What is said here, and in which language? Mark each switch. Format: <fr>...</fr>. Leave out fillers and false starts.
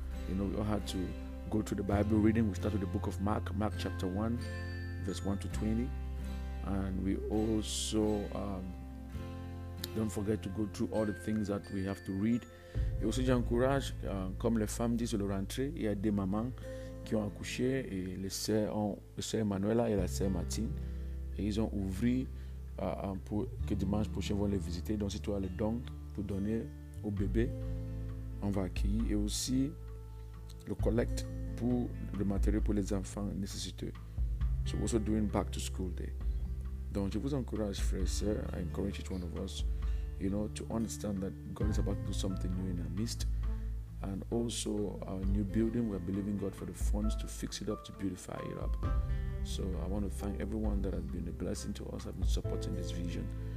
<en>You know, we all had to go through the Bible reading. We start with the book of Mark, Mark chapter 1, verse 1 to 20. And we also don't forget to go through all the things that we have to read.</en> <fr>Et aussi, j'encourage, comme les femmes disent, le rentrer, il y a des mamans qui ont accouché, et les sœurs ont, le sœur Emmanuela et la sœur Martine, et ils ont ouvri pour que dimanche prochain, vont les visiter. Donc, si tu as le don pour donner au bébé, on va accueillir. Et aussi, le collecte pour le matériel pour les enfants nécessiteux.</fr> <en>So, we're also doing back to school day.</en> <fr>Donc, je vous encourage, frères et sœurs,</fr> <en>I encourage each one of us, you know, to understand that God is about to do something new in our midst. And also, our new building, we are believing God for the funds to fix it up, to beautify it up. So, I want to thank everyone that has been a blessing to us, have been supporting this vision.</en>